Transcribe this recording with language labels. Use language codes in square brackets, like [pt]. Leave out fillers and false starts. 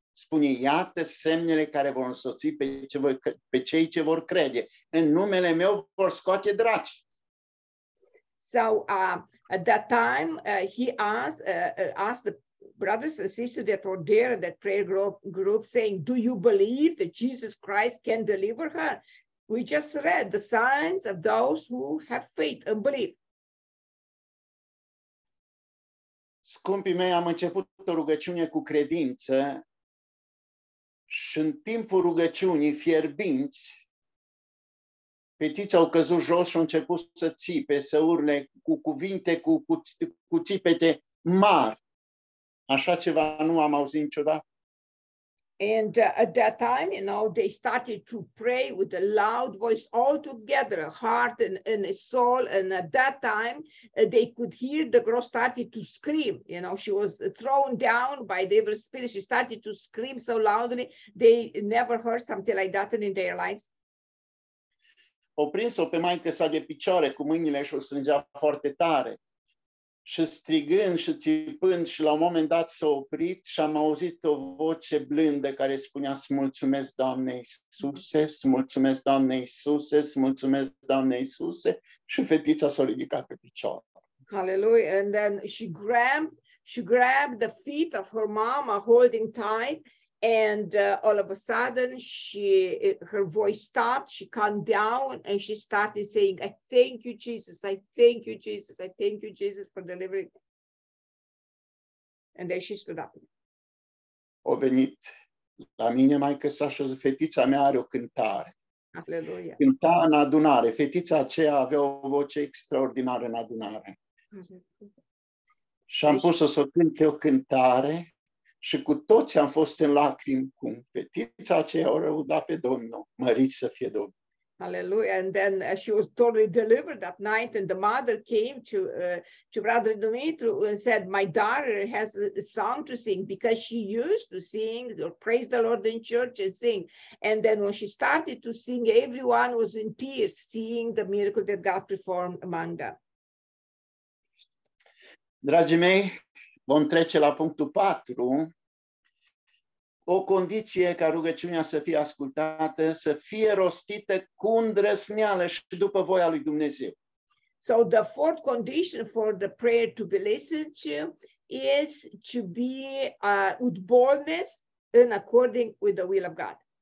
[ro] Spune: iată semnele care vor însoți pe cei ce vor crede. În numele meu vor scoate draci. [en] So, at that time, he asked the brothers and sisters that were there at that prayer group saying, do you believe that Jesus Christ can deliver her? We just read the signs of those who have faith and believe. [ro] Scumpii mei, am început o rugăciune cu credință și în timpul rugăciunii fierbinți, fetița a căzut jos și a început să țipe, să urle cu cuvinte, cu țipete mari. Așa ceva nu am auzit niciodată. [en] And at that time, you know, they started to pray with a loud voice all together, heart and a soul. And at that time, they could hear the girl started to scream. You know, she was thrown down by the evil spirit. She started to scream so loudly. They never heard something like that in their lives. [ro] O prins-o pe maică sa de picioare cu mâinile și o strângea foarte tare. Și strigând și țipând și la un moment dat s-a oprit și am auzit o voce blândă care spunea: îți mulțumesc, Doamne Iisuse, îți mulțumesc, Doamne Iisuse, îți mulțumesc, Doamne Iisuse, și fetița s-a ridicat pe picior. Hallelujah! [en] And then she grabbed the feet of her mama holding tight, and all of a sudden her voice stopped, she calmed down, and she started saying, I thank you, Jesus, I thank you, Jesus, I thank you, Jesus, for delivering. And then she stood up. [ro] O venit la mine, maică sa, și-o zis, fetița mea are o cântare. Hallelujah. Cânta în adunare. Fetița aceea avea o voce extraordinară în adunare. Și am pus-o să cânte o cântare. Și cu toți am fost în lacrimi cu fetița aceea, o răudat pe Domnul, mărit să fie Domnul. Hallelujah. [en] And then she was totally delivered that night, and the mother came to Brother Dumitru and said, my daughter has a song to sing, because she used to sing or praise the Lord in church and sing. And then when she started to sing, everyone was in tears seeing the miracle that God performed among them. [ro] Dragii mei, vom trece la punctul 4. o condiție ca rugăciunea să fie ascultată, să fie rostită cu îndrăsneală și după voia lui Dumnezeu. [en] So the fourth condition for the prayer to be listened to is to be with boldness in according with the will of God.